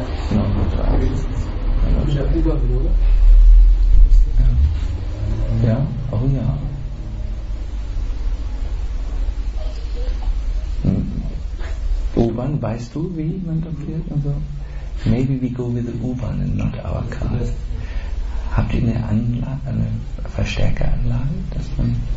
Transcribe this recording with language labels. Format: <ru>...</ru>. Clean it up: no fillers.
<de>9.30 Uhr. Ja, oder? Ja, oh ja. U-Bahn, weißt du, wie man da fährt und so?</de> <en>Maybe we go with the U-Bahn and not our car.</en> <de>Habt ihr eine Verstärkeranlage, dass man...</de>